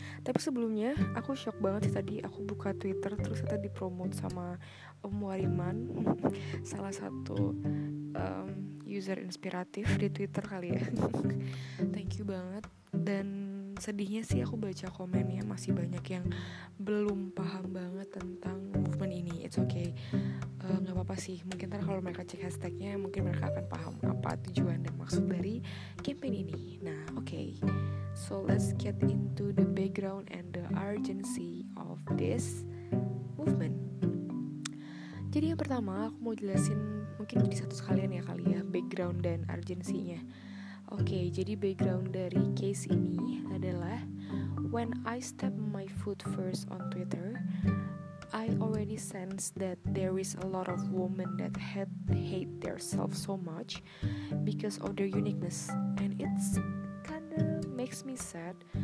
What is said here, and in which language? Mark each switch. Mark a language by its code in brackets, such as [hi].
[id] Tapi sebelumnya aku shock banget sih tadi aku buka Twitter terus ternyata dipromote sama Om Wariman, salah satu user inspiratif di Twitter kali ya. [en] Thank you [id] banget. Dan sedihnya sih aku baca komennya masih banyak yang belum paham banget tentang movement ini. [en] It's okay, [id] gak apa-apa sih. Mungkin ntar kalau mereka cek hashtagnya mungkin mereka akan paham apa tujuan dan maksud dari campaign ini. [en] Nah okay, so let's get into the background and the urgency of this movement. [id] Jadi yang pertama aku mau jelasin mungkin jadi satu sekalian ya kali ya background dan urgensinya. [en] Okay, [id] jadi [en] background [id] dari [en] case [id] ini adalah [en] when I step my foot first on Twitter, I already sense that there is a lot of women that hate themselves so much because of their uniqueness, and it's kinda makes me sad.